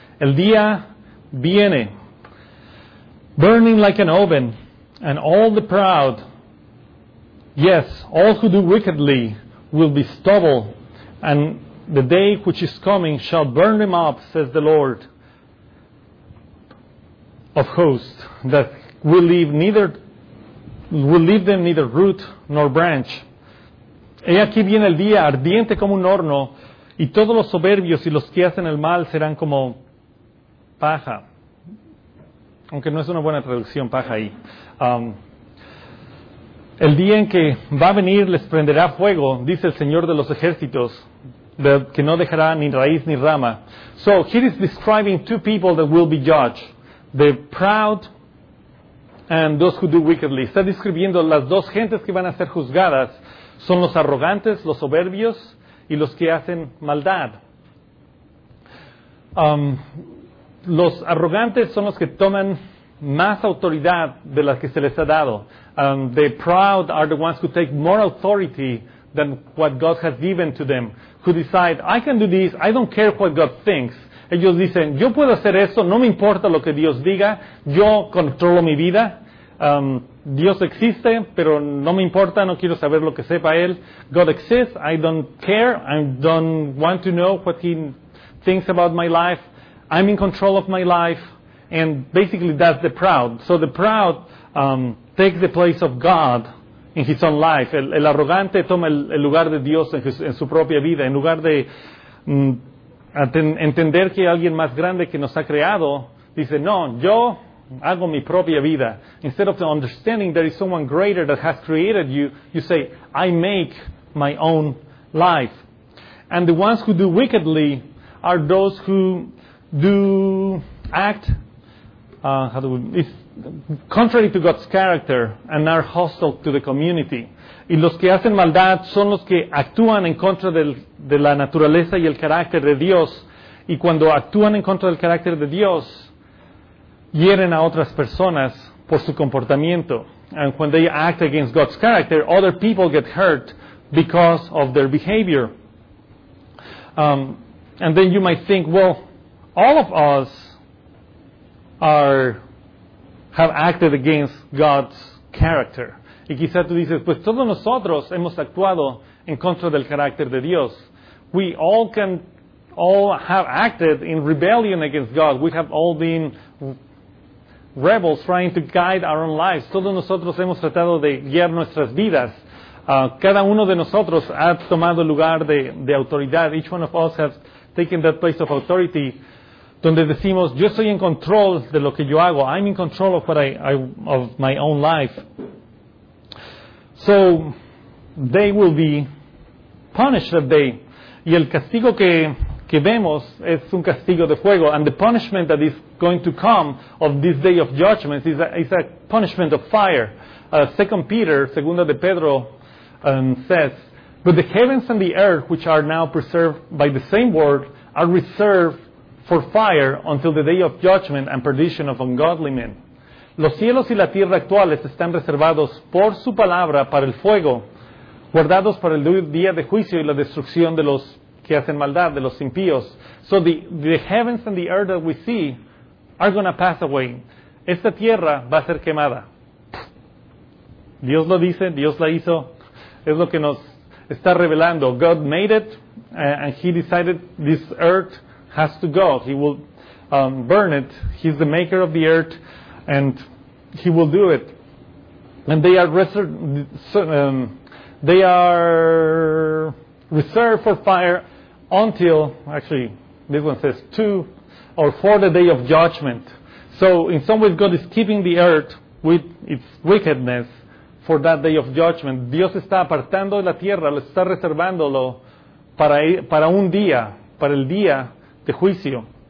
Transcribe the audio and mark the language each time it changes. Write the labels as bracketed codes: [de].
[es] El día viene. [en] Burning like an oven, and all the proud, yes, all who do wickedly, will be stubble, and the day which is coming shall burn them up, says the Lord of hosts, that will leave them neither root nor branch. [es] He aquí viene el día, ardiente como un horno, y todos los soberbios y los que hacen el mal serán como paja. Aunque no es una buena traducción, paja ahí. El día en que va a venir les prenderá fuego, dice el Señor de los ejércitos, que no dejará ni raíz ni rama. [en] So, he is describing two people that will be judged. The proud and those who do wickedly. [es] Está describiendo las dos gentes que van a ser juzgadas. Son los arrogantes, los soberbios y los que hacen maldad. Los arrogantes son los que toman más autoridad de la que se les ha dado. [en] The proud are the ones who take more authority than what God has given to them, who decide, I can do this, I don't care what God thinks. [es] Ellos dicen, yo puedo hacer esto, no me importa lo que Dios diga, yo controlo mi vida. Dios existe, pero no me importa, no quiero saber lo que sepa Él. [en] God exists, I don't care, I don't want to know what He thinks about my life. I'm in control of my life, and basically that's the proud. So the proud takes the place of God in his own life. [es] El arrogante toma el lugar de Dios en su propia vida. En lugar de entender que hay alguien más grande que nos ha creado, dice, no, yo hago mi propia vida. [en] Instead of understanding there is someone greater that has created you, you say, I make my own life. And the ones who do wickedly are those who act contrary to God's character and are hostile to the community. [es] Y los que hacen maldad son los que actúan en contra de la naturaleza y el carácter de Dios. Y cuando actúan en contra del carácter de Dios, hieren a otras personas por su comportamiento. [en] And when they act against God's character, other people get hurt because of their behavior. And then you might think, well, all of us have acted against God's character. [es] Y quizá tú dices, pues todos nosotros hemos actuado en contra del carácter de Dios. [en] We all have acted in rebellion against God. We have all been rebels trying to guide our own lives. [es] Todos nosotros hemos tratado de guiar nuestras vidas. Cada uno de nosotros ha tomado lugar de autoridad. [en] Each one of us has taken that place of authority, [es] donde decimos, yo estoy en control de lo que yo hago. [en] I'm in control of what I of my own life. So, they will be punished that day. [es] Y el castigo que vemos es un castigo de fuego. [en] And the punishment that is going to come of this day of judgment is a punishment of fire. Segunda de Pedro says, but the heavens and the earth, which are now preserved by the same word, are reserved for fire until the day of judgment and perdition of ungodly men. [es] Los cielos y la tierra actuales están reservados por su palabra para el fuego, guardados para el día de juicio y la destrucción de los que hacen maldad, de los impíos. [en] So the heavens and the earth that we see are going to pass away. [es] Esta tierra va a ser quemada. Dios lo dice, Dios la hizo. Es lo que nos está revelando. [en] God made it and he decided this earth has to go. He will burn it. He's the maker of the earth, and he will do it. And they are reserved for fire until, actually, this one says two or for the day of judgment. So, in some ways, God is keeping the earth with its wickedness for that day of judgment. [es] Dios está apartando la tierra, lo está reservándolo para un día, para el día de juicio.